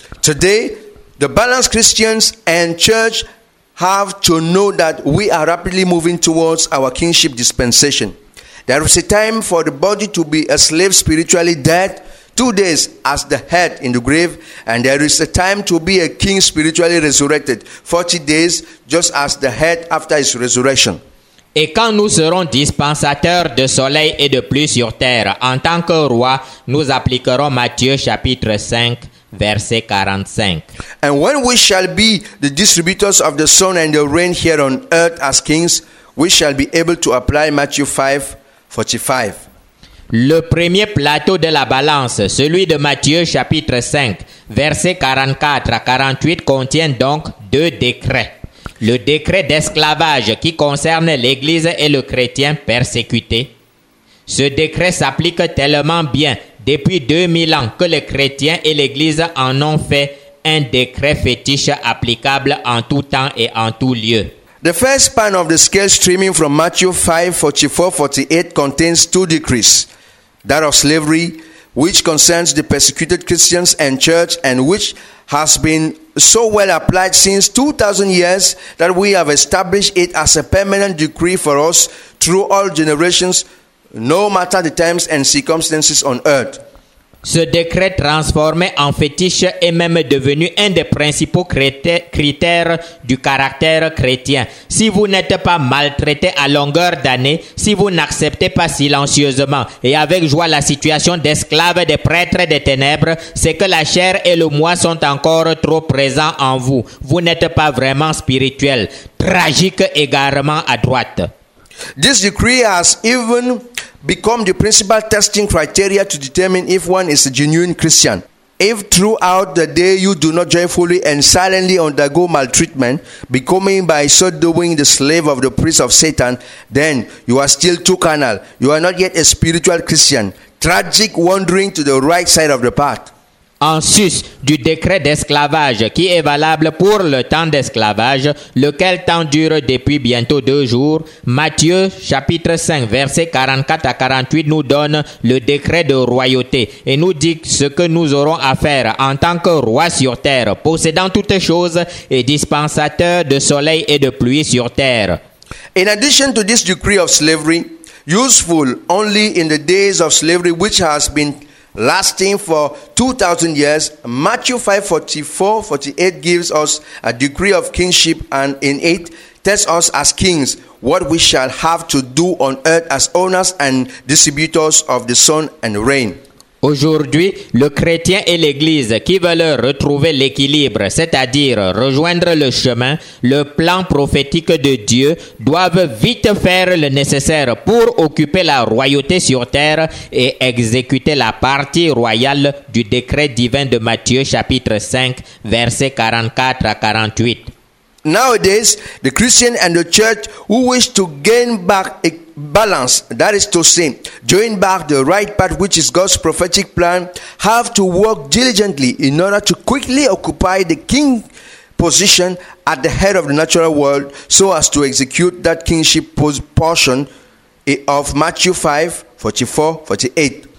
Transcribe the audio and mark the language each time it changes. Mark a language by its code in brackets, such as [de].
[en] Today, the balanced Christians and church have to know that we are rapidly moving towards our kingship dispensation. There is a time for the body to be a slave spiritually dead, 2 days as the head in the grave, and there is a time to be a king spiritually resurrected, 40 days just as the head after his resurrection. [fr] Et quand nous serons dispensateurs de soleil et de pluie sur terre, en tant que roi, nous appliquerons Matthieu chapitre 5, verset 45. [en] And when we shall be the distributors of the sun and the rain here on earth as kings, we shall be able to apply Matthew 5, 45. [fr] Le premier plateau de la balance, celui de Matthieu chapitre 5, verset 44 à 48, contient donc 2 décrets. Le décret d'esclavage qui concerne l'Église et le chrétien persécuté. Ce décret s'applique tellement bien depuis 2000 ans que les chrétiens et l'Église en ont fait un décret fétiche applicable en tout temps et en tout lieu. [en] The first span of the scale streaming from Matthew 5:44-48 contains 2 decrees. That of slavery, which concerns the persecuted Christians and church, and which has been so well applied since 2,000 years that we have established it as a permanent decree for us through all generations, no matter the times and circumstances on earth. [fr] Ce décret transformé en fétiche est même devenu un des principaux critères du caractère chrétien. Si vous n'êtes pas maltraité à longueur d'année, si vous n'acceptez pas silencieusement et avec joie la situation d'esclave des prêtres des ténèbres, c'est que la chair et le moi sont encore trop présents en vous. Vous n'êtes pas vraiment spirituel. Tragique égarement à droite. [en] This decree has even become the principal testing criteria to determine if one is a genuine Christian. If throughout the day you do not joyfully and silently undergo maltreatment, becoming by so doing the slave of the priest of Satan, then you are still too carnal. You are not yet a spiritual Christian, tragic wandering to the right side of the path. [fr] en sus du décret d'esclavage qui est valable pour le temps d'esclavage, lequel temps dure depuis bientôt 2 jours, Matthieu chapitre 5 verset 44 à 48 nous donne le décret de royauté et nous dit ce que nous aurons à faire en tant que roi sur terre, possédant toutes choses et dispensateur de soleil et de pluie sur terre. [en] In addition to this decree of slavery, useful only in the days of slavery which has been lasting for 2,000 years, Matthew 5:44-48 gives us a decree of kingship and in it tells us as kings what we shall have to do on earth as owners and distributors of the sun and rain. [fr] Aujourd'hui, le chrétien et l'Église qui veulent retrouver l'équilibre, c'est-à-dire rejoindre le chemin, le plan prophétique de Dieu, doivent vite faire le nécessaire pour occuper la royauté sur terre et exécuter la partie royale du décret divin de Matthieu chapitre 5, versets 44 à 48. [en] Nowadays, the Christian and the church who wish to gain back a balance, that is to say, join back the right path which is God's prophetic plan, have to work diligently in order to quickly occupy the king position at the head of the natural world so as to execute that kingship portion of Matthew 5:44-48.